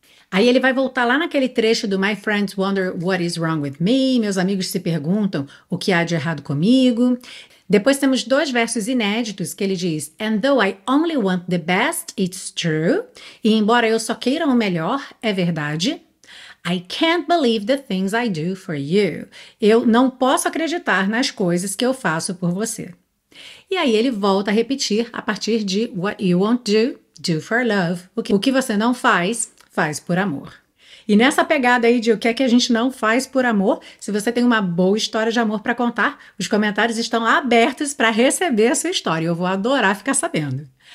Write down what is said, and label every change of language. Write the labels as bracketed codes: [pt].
[pt] Aí ele vai voltar lá naquele trecho do [en] My friends wonder what is wrong with me. [pt] Meus amigos se perguntam o que há de errado comigo. Depois temos dois versos inéditos que ele diz [en] and though I only want the best, it's true. [pt] E embora eu só queira o melhor, é verdade. [en] I can't believe the things I do for you. [pt] Eu não posso acreditar nas coisas que eu faço por você. E aí ele volta a repetir a partir de [en] what you won't do, do for love. [pt] O que você não faz, faz por amor. E nessa pegada aí de o que é que a gente não faz por amor, se você tem uma boa história de amor para contar, os comentários estão abertos para receber a sua história. Eu vou adorar ficar sabendo.